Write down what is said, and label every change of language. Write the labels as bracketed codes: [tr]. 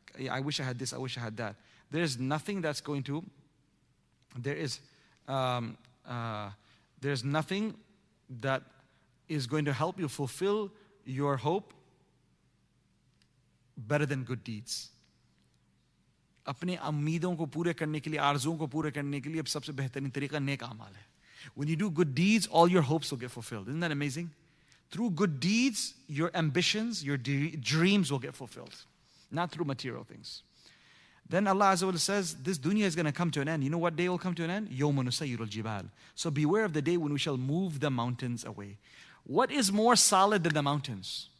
[en] I wish I had this, I wish I had that. There's nothing that's going to... There's nothing that is going to help you fulfill your hope better than good deeds. [hi] अपने अमीदों को पूरा करने के लिए, अरज़ूं को पूरा करने के लिए, अब सबसे बेहतरीन तरीक़ा नेक अमल है. [en] When you do good deeds, all your hopes will get fulfilled. Isn't that amazing? Through good deeds, your ambitions, your dreams will get fulfilled. Not through material things. Then Allah Azza wa Jalla says, this dunya is going to come to an end. You know what day will come to an end? [ar] يَوْمَ نُسَيِّرُ الْجِبَالِ. [en] So beware of the day when we shall move the mountains away. What is more solid than the mountains?